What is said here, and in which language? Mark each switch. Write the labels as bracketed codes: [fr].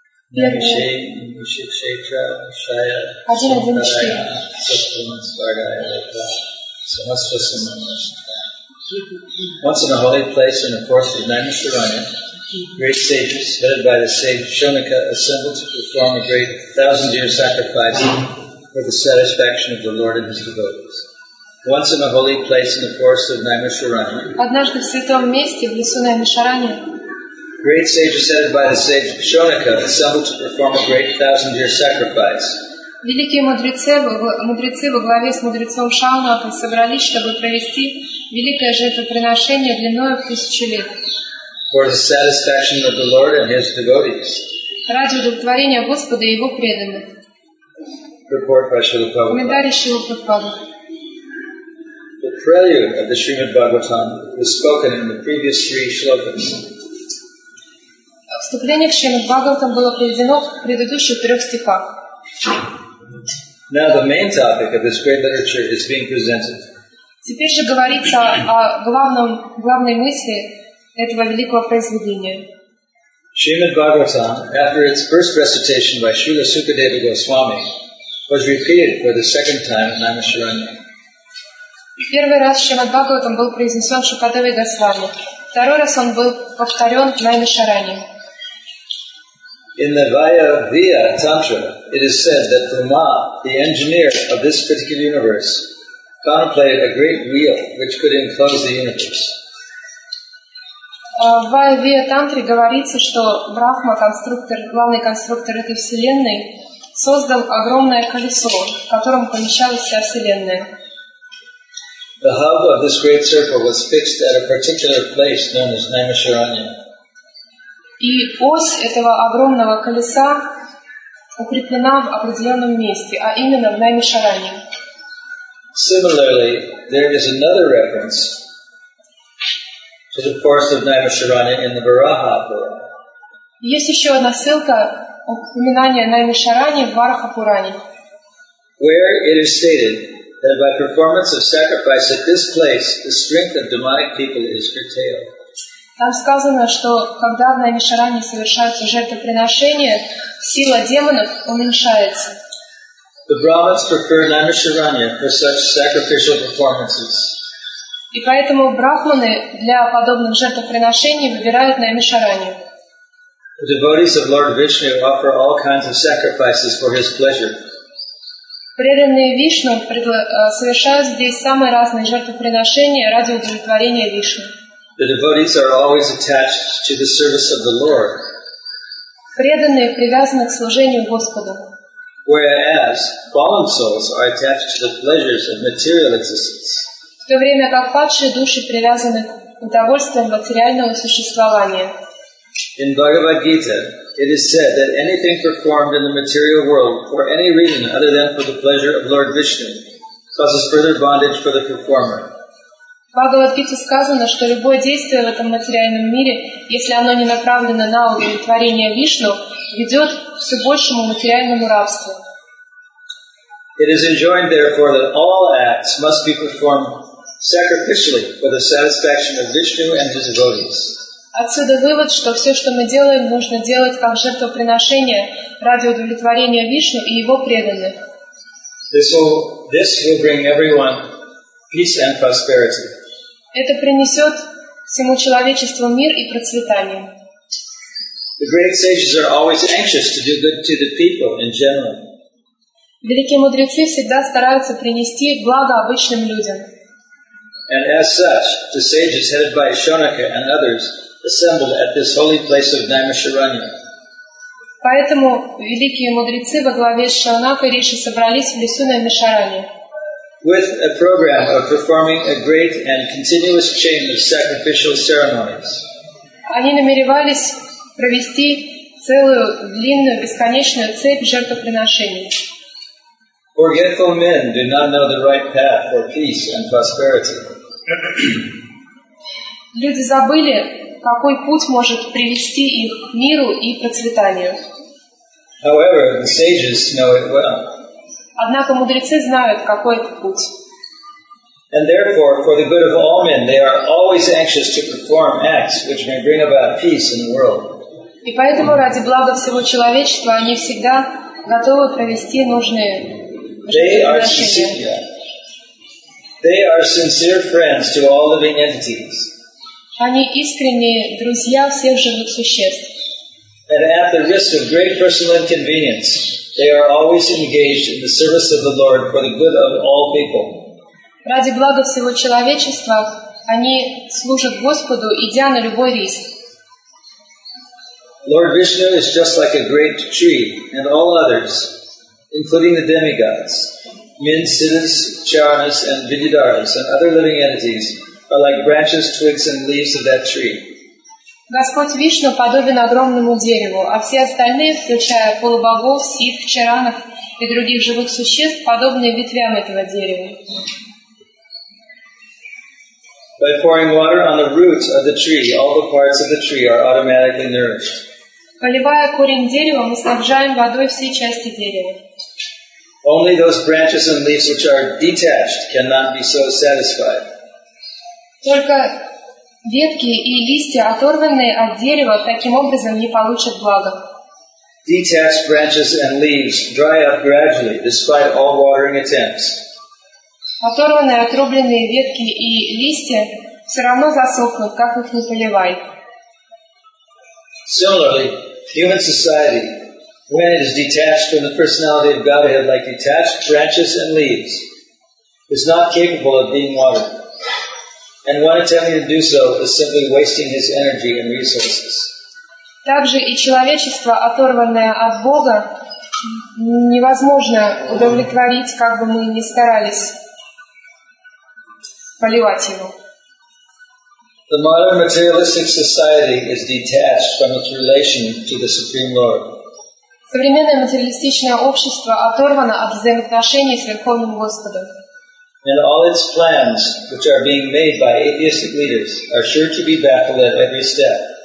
[en] Once in a holy place in the forest of Naimisharanya, great sages, headed by the sage Shonaka, assembled to perform a great 1,000-year sacrifice for the satisfaction of the Lord and his devotees. Once in a holy place in the forest of Naimisharanya, [ru] однажды в святом месте в лесу Наймишаранья, [en] great sages headed by the sage Shonaka assembled to perform a great 1,000-year sacrifice. [ru] Великие мудрецы во главе с мудрецом Шаунака собрались, чтобы провести великое жертвоприношение длиною в 1000 лет. [en] For the satisfaction of the Lord and his devotees. [ru] Ради удовлетворения Господа и его преданных. [en] Report by Srila Prabhupada. [ru] Комментарий Шрилы Прабхупады. [en] The prelude of the Srimad Bhagavatam was spoken in the previous three shlokas. [ru] Вступление к Шримад Бхагаватам было приведено в предыдущих трех стихах. [en] Now the main topic of this great literature is being presented. [ru] Теперь же говорится о главной мысли этого великого произведения. [en] Шримад Бхагаватам, after its first recitation by Srila Sukadeva Goswami, was repeated for the second time in Naimisharanya. [ru] Первый раз Шримад Бхагаватам был произнесен Шукадевой Госвами. Второй раз он был повторен в Наймишаране. [en] In the Vayavya Tantra, it is said that Brahma, the engineer of this physical universe, contemplated a great wheel which could enclose the universe. [ru] В Vayavya Tantra говорится, что Брахма, главный конструктор этой вселенной, создал огромное колесо, в котором помещалась вся вселенная. [en] The hub of this great circle was fixed at a particular place known as Naimisharanya. [ru] И ось этого огромного колеса укреплена в определенном месте, а именно в Наймишаране. [en] Similarly, there is another reference to the forest of Naimisharanya in the Varahapura. [ru] Есть еще одна ссылка упоминания Наймишаране в Варахапуране. [en] Where it is stated that by performance of sacrifice at this place, the strength of demonic people is curtailed. [ru] Там сказано, что когда в Наймишаране совершаются жертвоприношения, сила демонов уменьшается. [en] The Brahmins prefer Naimisharanya for such sacrificial performances. [ru] И поэтому брахманы для подобных жертвоприношений выбирают Наймишаранью. [en] The devotees of Lord Vishnu offer all kinds of sacrifices for his pleasure. [ru] Преданные Вишну совершают здесь самые разные жертвоприношения ради удовлетворения Вишны. [en] The devotees are always attached to the service of the Lord. [ru] Преданные привязаны к служению Господу. [en] Whereas fallen souls are attached to the pleasures of material existence. [ru] В то время как падшие души привязаны к удовольствиям материального существования. [en] In Bhagavad Gita, it is said that anything performed in the material world for any reason other than for the pleasure of Lord Vishnu causes further bondage for the performer. [ru] В Бхагавад-гите сказано, что любое действие в этом материальном мире, если оно не направлено на удовлетворение Вишну, ведет к все большему материальному рабству. [en] It is enjoined, therefore, that all acts must be performed sacrificially for the satisfaction of Vishnu and his devotees. [ru] Отсюда вывод, что все, что мы делаем, нужно делать как жертвоприношение ради удовлетворения Вишну и его преданных. [en] This will bring everyone peace and prosperity. [ru] Это принесет всему человечеству мир и процветание. [en] The great sages are always anxious to do good to the people in general. [ru] Великие мудрецы всегда стараются принести благо обычным людям. [en] And as such, the sages headed by Shonaka and others assembled at this holy place of Naimisharanya. [ru] Поэтому великие мудрецы во главе с Шонакой и Риши собрались в лесу Наймишаранья. [en] With a program of performing a great and continuous chain of sacrificial ceremonies. [ru] Они намеревались провести целую длинную бесконечную цепь жертвоприношений. [en] Forgetful men do not know the right path for peace and prosperity. [ru] Люди забыли, какой путь может привести их к миру и процветанию. [en] However, the sages know it well. [ru] Однако мудрецы знают, какой это путь. [en] And therefore, for the good of all men, they are always anxious to perform acts which may bring about peace in the world. [ru] И поэтому ради блага всего человечества они всегда готовы провести нужные. [en] They are sincere. They are sincere friends to all living entities. [ru] Они искренние друзья всех живых существ. [en] And at the risk of great personal inconvenience, they are always engaged in the service of the Lord for the good of all people. [ru] Ради блага всего человечества они служат Господу, идя на любой риск. [en] Lord Vishnu is just like a great tree, and all others, including the demigods, men, siddhas, charanas, and vidyadharas, and other living entities, are like branches, twigs, and leaves of that tree. [ru] Господь Вишну подобен огромному дереву, а все остальные, включая полубогов, сидх, чаранов и других живых существ, подобны ветвям этого дерева. [en] By pouring water on the roots of the tree, all the parts of the tree are automatically nourished. [ru] Поливая корень дерева, мы снабжаем водой все части дерева. [en] Only those branches and leaves which are detached cannot be so satisfied. [ru] Только ветки и листья, оторванные от дерева, таким образом не получат блага. [en] Detached branches and leaves dry up gradually, despite all watering attempts. [ru] Оторванные, отрубленные ветки и листья все равно засохнут, как их не поливай. [en] Similarly, human society, when it is detached from the personality of Godhead, like detached branches and leaves, is not capable of being watered. And one attempting to do so is simply wasting his energy and resources. [ru] Также и человечество, оторванное от Бога, невозможно удовлетворить, как бы мы ни старались. [en] The modern materialistic society is detached from its relation to the Supreme Lord. [ru] Современное материалистичное общество оторвано от взаимоотношений с Верховным Господом. [en] And all its plans, which are being made by atheistic leaders, are sure to be baffled at every step.